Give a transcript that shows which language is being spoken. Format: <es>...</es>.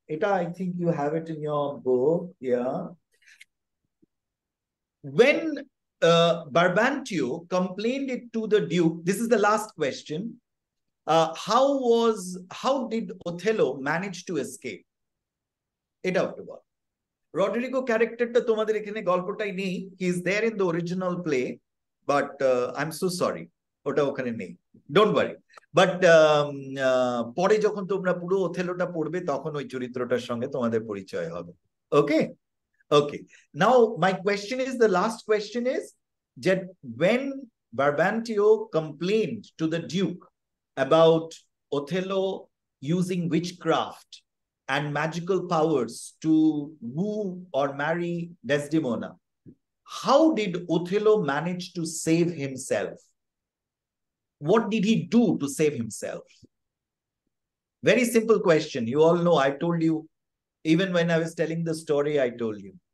<en>Eta, I think you have it in your book. Yeah. When Barbantio complained it to the Duke, this is the last question. How did Othello manage to escape?</en> <bn>এটা একটু বল Rodrigo ক্যারেক্টারটা তোমাদের এখানে গল্পটাই নেই</bn> <en>he is there in the original play but I am so sorry</en> <bn>ওটা ওখানে নেই</bn> <en>don't worry but</en> <bn>পরে যখন তোমরা পুরো ওথেলোটা পড়বে তখন ওই চরিত্রটার সঙ্গে তোমাদের পরিচয় হবে</bn> <en>Okay okay now my question is the last question is that when Brabantio complained to the duke about Othello using witchcraft and magical powers to woo or marry Desdemona. How did Othello manage to save himself? What did he do to save himself? Very simple question. You all know, I told you, even when I was telling the story, I told you.</en>